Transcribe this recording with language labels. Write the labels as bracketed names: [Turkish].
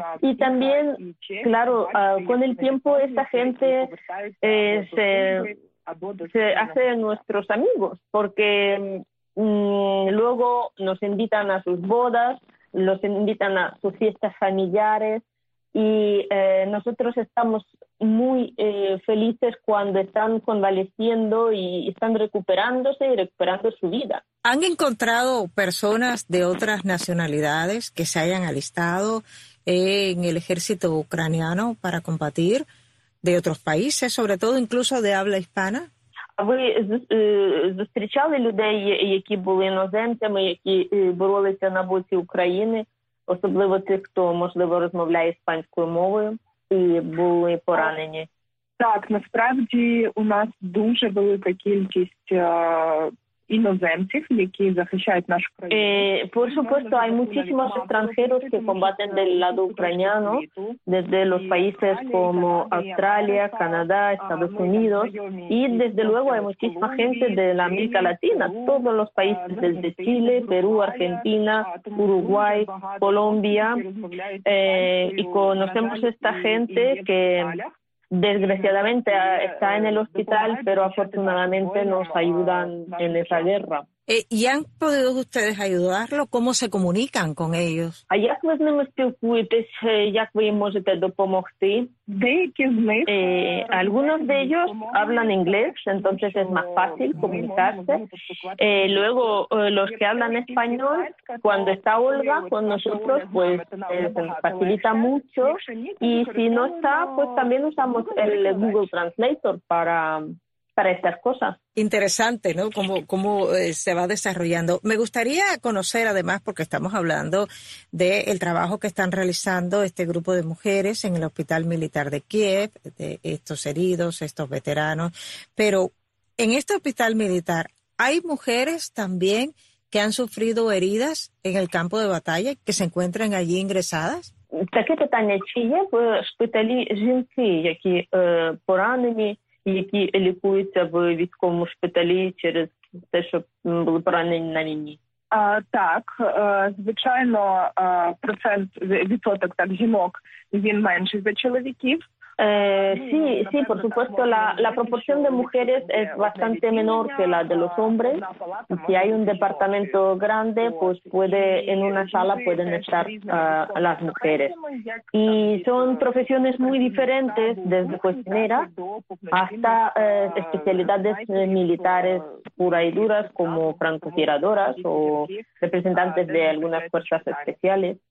[Spanish] Y también, claro, con el tiempo esta gente se hace nuestros amigos, porque luego nos invitan a sus bodas, los invitan a sus fiestas familiares, y nosotros estamos muy felices cuando están convaleciendo y están recuperándose y recuperando su vida. ¿Han encontrado personas de otras nacionalidades que se hayan alistado en el ejército ucraniano para combatir, de otros países, sobre todo incluso de habla hispana? [Ukrainian] Ви зустрічали людей, які були іноземцями, які боролися на боці України, особливо тих, хто, можливо, розмовляє іспанською мовою і були поранені? Так, насправді у нас дуже велика кількість иноземцев, які захищають нашу країну. [Spanish] Por supuesto, hay muchísimos extranjeros que combaten del lado ucraniano, desde los países como Australia, Canadá, Estados Unidos, y desde luego hay muchísima gente de la América Latina, todos los países, desde Chile, Perú, Argentina, Uruguay, Colombia, y conocemos esta gente que desgraciadamente está en el hospital, pero afortunadamente nos ayudan en esa guerra. ¿Y han podido ustedes ayudarlo? ¿Cómo se comunican con ellos? [Ukrainian] А як ви з ними спілкуєтесь? Як ви їм можете допомогти? Деякі з них. [Spanish] Algunos de ellos hablan inglés, entonces es más fácil comunicarse. Luego, los que hablan español, cuando está Olga con nosotros, pues facilita mucho. Y si no está, pues también usamos el Google Translator para estas cosas. Interesante, ¿no? Cómo se va desarrollando. Me gustaría conocer, además, porque estamos hablando del trabajo que están realizando este grupo de mujeres en el Hospital Militar de Kiev, de estos heridos, estos veteranos. Pero en este hospital militar, ¿hay mujeres también que han sufrido heridas en el campo de batalla, que se encuentran allí ingresadas? [Ukrainian] Таке питання, чи є в шпиталі жінки, які поранені, які лікуються в військовому шпиталі через те, що були поранені на війні? Так, звичайно, процент, відсоток так, жінок, він менший за чоловіків. [Spanish] Sí, por supuesto, la proporción de mujeres es bastante menor que la de los hombres. Si hay un departamento grande, pues puede en una sala pueden estar las mujeres. Y son profesiones muy diferentes, desde cocineras hasta especialidades militares pura y duras, como francotiradoras o representantes de algunas fuerzas especiales.